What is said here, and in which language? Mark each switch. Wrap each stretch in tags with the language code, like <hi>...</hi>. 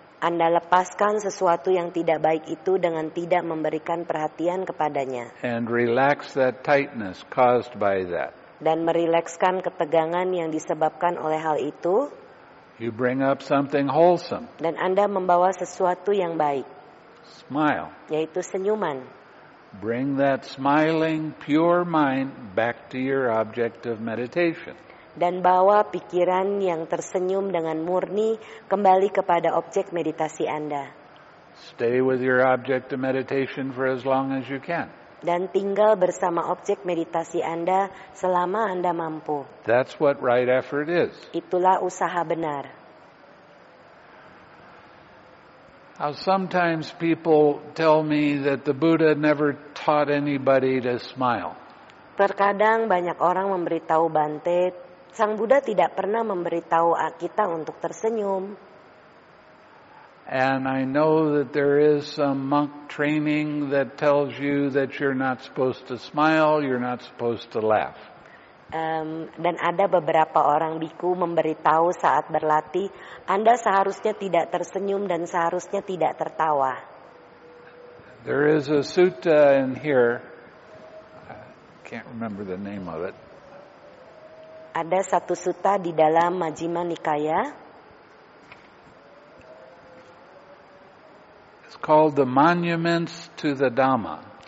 <id>Anda lepaskan sesuatu yang tidak baik itu dengan tidak memberikan perhatian kepadanya.</id> <en>And relax that tightness caused by that.</en> <id>Dan merilekskan ketegangan yang disebabkan oleh hal itu.</id> <en>You bring up something wholesome.</en> <id>Dan Anda membawa sesuatu yang baik.</id> <en>Smile.</en> <id>Yaitu senyuman.</id> <en>Bring that smiling, pure mind back to your object of meditation.</en> <id>Dan bawa pikiran yang tersenyum dengan murni kembali kepada objek meditasi Anda.</id> <en>Stay with your object of meditation for as long as you can.</en> <id>Dan tinggal bersama objek meditasi Anda selama Anda mampu.</id> <en>That's what right effort is.</en> <id>Itulah usaha benar.</id> <en>Now sometimes people tell me that the Buddha never taught anybody to smile.</en> <id>Terkadang banyak orang memberitahu Bante, Sang Buddha tidak pernah memberitahu kita untuk tersenyum.</id> <en>And I know that there is some monk training that tells you that you're not supposed to smile, you're not supposed to laugh.</en> <id>Dan ada beberapa orang biku memberitahu saat berlatih, Anda seharusnya tidak tersenyum dan seharusnya tidak tertawa.</id> <en>There is a sutta in here. I can't remember the name of it.</en> <id>Ada satu sutta di dalam Majjhima Nikaya.</id> <en>It's called the Monuments to the Dhamma.</en>